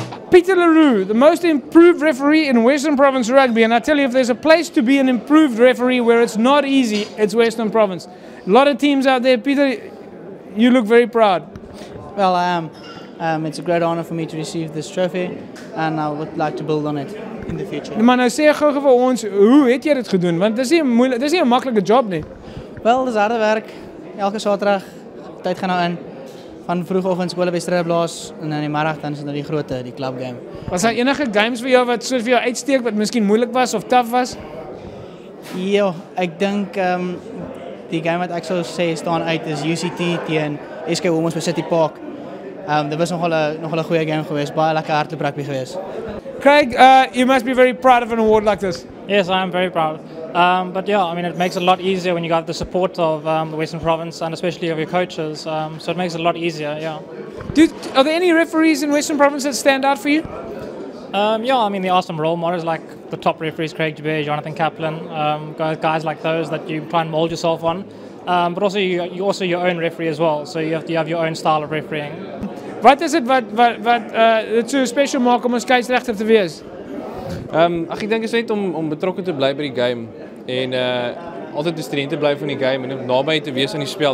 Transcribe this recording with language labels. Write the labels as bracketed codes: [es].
[en] Peter LaRue, the most improved referee in Western Province rugby. And I tell you, if there's a place to be an improved referee where it's not easy, it's Western Province. A lot of teams out there. Peter, you look very proud. Well, I am. It's a great honor for me to receive this trophy, and I would like to build on it in the future. [af] Maar nou sê gou vir ons, hoe het jy dit gedoen? Want dis nie 'n maklike job nie. Wel, dis harde werk. Elke Saterdag, tyd gaan nou in. Van vroegoggend skolewedstryd blaas en in die middag dan is dit nou die grootte, die club game. Was daar enige games vir jou wat soveel uitsteek, wat miskien moeilik was of tough was? Ja, ek dink die game wat ek sou sê staan uit is UCT teen SK Women's by City Park. Dit was nogal een goeie game geweest, baie lekker hardloop rugby geweest. [en] Craig, you must be very proud of an award like this. Yes, I am very proud. But yeah, I mean, it makes it a lot easier when you got the support of the Western Province, and especially of your coaches. So it makes it a lot easier, yeah. Are there any referees in Western Province that stand out for you? Yeah, I mean, there are some role models, like the top referees, Craig Dubé, Jonathan Kaplan, guys like those that you try and mold yourself on. But also, you're also your own referee as well, so you have your own style of refereeing. [af] Wat is dit wat dit so special maak om 'n skeieregter te wees? Ek dink is net om betrokke te bly by die game en altyd te streng te bly van die game en om naby te wees aan die spel.